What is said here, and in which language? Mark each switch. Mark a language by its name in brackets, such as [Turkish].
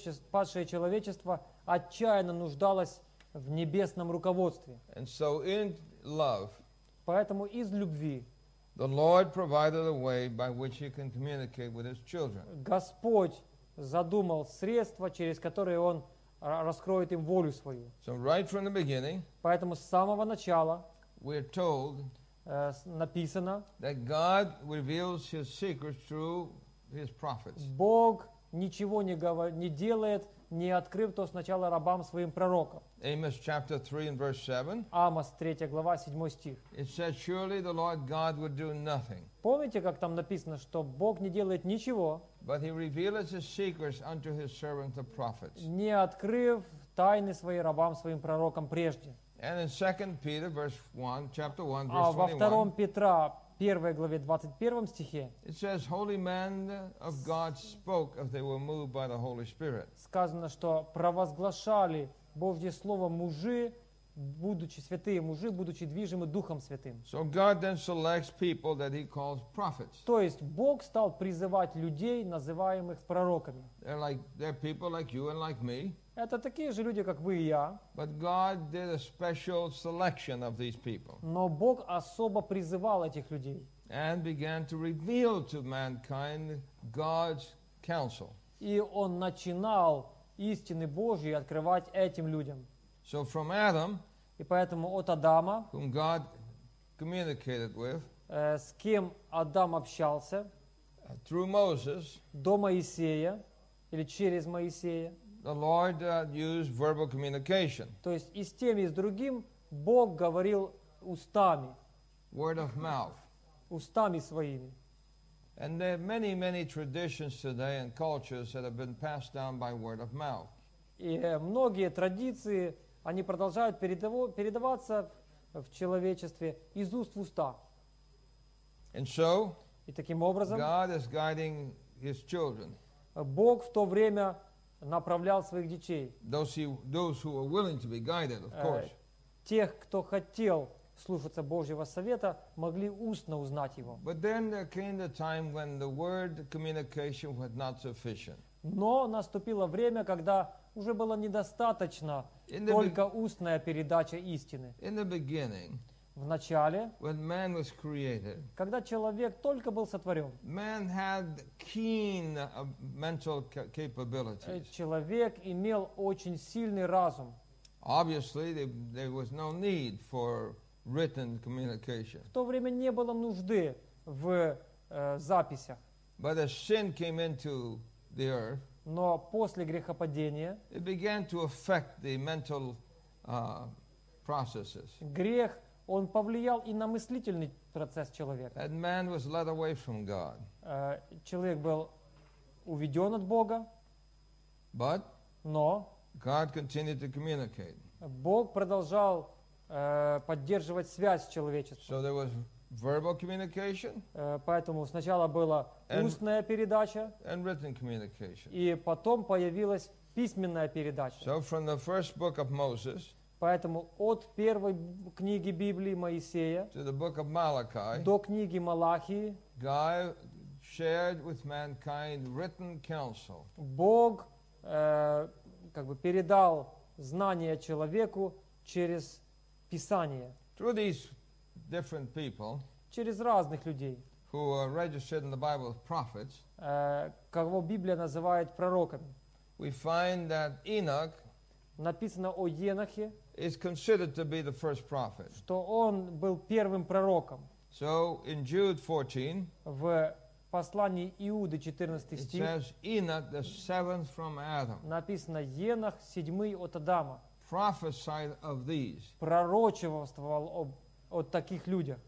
[Russian] Падшее человечество отчаянно нуждалось в небесном руководстве. [English] And so in love, [Russian] поэтому из любви, [English] the Lord provided a way by which he can communicate with his children. [Russian] Господь задумал средства, через которые он раскроет им волю свою. [English] So right from the beginning, [Russian] поэтому с самого начала, [English] we're told, [Russian] написано, [English] that God reveals his secrets through his prophets. [Russian] Бог ничего не делает, не открыв то сначала рабам своим пророкам. [English] Amos chapter 3 and verse 7. [Russian] Амос 3 глава 7 стих. [English] It says, surely the Lord God would do nothing. [Russian] Помните, как там написано, что Бог не делает ничего. [English] But he reveals his secrets unto his servant the prophets. [Russian] Не открыв тайны свои рабам своим пророкам прежде. [English] And in 2 Peter verse 1, chapter 1, verse [Russian] 21. А во втором Петра 1 главе 21 стихе [English] it says, holy men of God spoke if they were moved by the Holy Spirit. [Russian] Сказано, что провозглашали Божье слово мужи, будучи святые мужи, будучи движимы Духом Святым. [English] So God then selects people that he calls prophets. [Russian] То есть Бог стал призывать людей, называемых пророками. [English] They're like, they're people like you and like me. [Russian] Это такие же люди, как вы и я. [English] But God did a special selection of these people. [Russian] Но Бог особо призывал этих людей. [English] And began to reveal to mankind God's counsel. [Russian] И он начинал истины Божьи открывать этим людям. [English] So from Adam, [Russian] и поэтому от Адама, [English] whom God communicated with, [Russian] с кем Адам общался, [English] through Moses, [Russian] до Моисея, или через Моисея, [English] the Lord used verbal communication. [Russian] То есть и с тем, и с другим Бог говорил устами. [English] Word of mouth. [Russian] Устами своими. [English] And there are many, many traditions today and cultures that have been passed down by word of mouth. [Russian] И многие традиции, они продолжают передаваться в человечестве из уст в уста. [English] And so, [Russian] и таким образом, [English] God is guiding his children. [Russian] Бог в то время направлял своих детей. [English] Those who are willing to be guided, of course. [Russian] Тех, кто хотел слушаться Божьего совета, могли устно узнать его. [English] But then there came the time when the word communication was not sufficient. [Russian] Но наступило время, когда уже было недостаточно только устная передача истины. [English] In the beginning, [Russian] в начале, [English] when man was created, [Russian] когда человек только был сотворен, [English] man had keen mental capabilities. [Russian] Человек имел очень сильный разум. [English] Obviously, there was no need for written communication. [Russian] В то время не было нужды в записях. [English] But as sin came into the earth, [Russian] но после грехопадения, [English] it began to affect the mental processes. [Russian] Грех, он повлиял и на мыслительный процесс человека. [English] And man was led away from God. [Russian] Человек был уведен от Бога. [English] But [Russian] но [English] God continued to communicate. [Russian] Бог продолжал поддерживать связь с человечеством. [English] So there was verbal communication. [Russian] Поэтому сначала была устная передача. [English] And written communication. [Russian] И потом появилась письменная передача. [English] So from the first book of Moses. [Russian] Поэтому от первой книги Библии Моисея [English] to the book of Malachi, [Russian] до книги Малахии [English] God shared with mankind written counsel. [Russian] Бог как бы передал знания человеку через Писание. [English] Through these different people, [Russian] через разных людей, [English] who are registered in the Bible as prophets, [Russian] кого Библия называет пророками, [English] we find that Enoch, [Russian] написано о Енохе, [English] is considered to be the first prophet. [Russian] Что он был первым пророком. [English] So in Jude 14, [Russian] в послании Иуды 14 стих, [English] it says Enoch the seventh from Adam. [Russian] Написано Енох седьмый от Адама. [English] Prophesied of these. [Russian] Пророчествовал о таких людях.